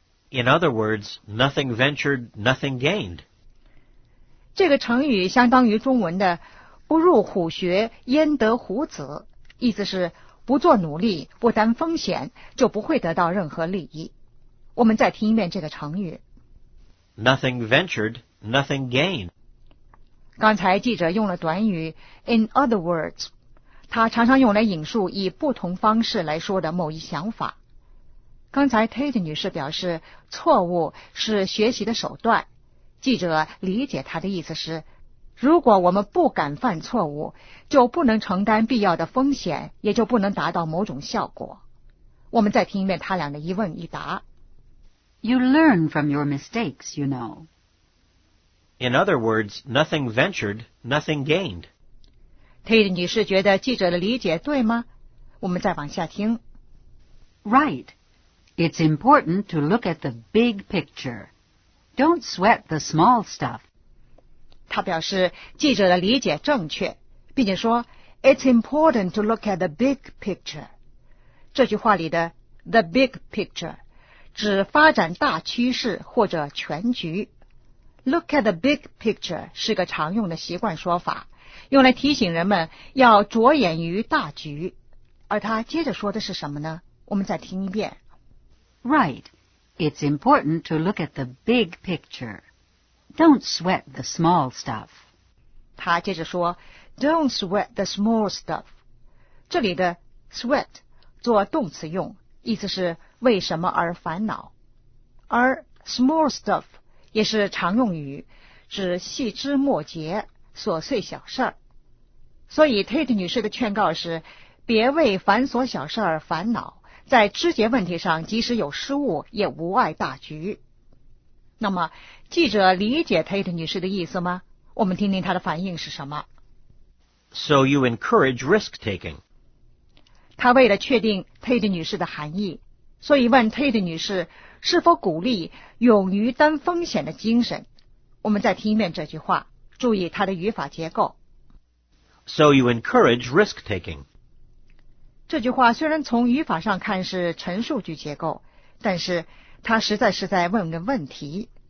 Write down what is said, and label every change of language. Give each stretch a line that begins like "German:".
English: In other words, nothing ventured, nothing gained.
Chinese: 这个成语相当于中文的不入虎穴焉得虎子，意思是不做努力，不担风险，就不会得到任何利益。我们再听一遍这个成语。
English: Nothing ventured, nothing gained.
Chinese: 刚才记者用了短语
English: in other words,
Chinese: 他常常用来引述以不同方式来说的某一想法。刚才 Tate 女士表示错误是学习的手段，记者理解她的意思是，如果我们不敢犯错误，就不能承担必要的风险，也就不能达到某种效果。我们再听一遍他俩的一问一答。
English: You learn from your mistakes, you know. In other words, nothing ventured, nothing gained.
Chinese: Tate 女士觉得记者的理解对吗？我们再往下听。
English: Right. It's important to look at the big picture. Don't sweat the small stuff.
Chinese: 她表示记者的理解正确，并且说
English: It's important to look at the big picture.
Chinese: 这句话里的 the big picture 指发展大趋势或者全局。
English: Look at the big picture
Chinese: 是个常用的习惯说法，用来提醒人们要着眼于大局。而他接着说的是什么呢？我们再听一遍。
English: Right. It's important to look at the big picture. Don't sweat the small stuff.
Chinese: 他接着说
English: Don't sweat the small stuff.
Chinese: 这里的 sweat 做动词用，意思是为什么而烦恼。而 small stuff 也是常用语，指细枝末节，琐碎小事儿。所以 Tate 女士的劝告是别为繁琐小事而烦恼，在枝节问题上即使有失误也无碍大局。那么记者理解 Tate 女士的意思吗？我们听听她的反应是什么。
English: So you encourage risk taking.
Chinese: 她为了确定 Tate 女士的含义，所以问 Tate 女士是否鼓励勇于担风险的精神。我们再听一遍这句话，注意它的语法结构。
English: So you encourage risk taking.
Chinese: 这句话虽然从语法上看是陈述句结构，但是他实在是在问个问题。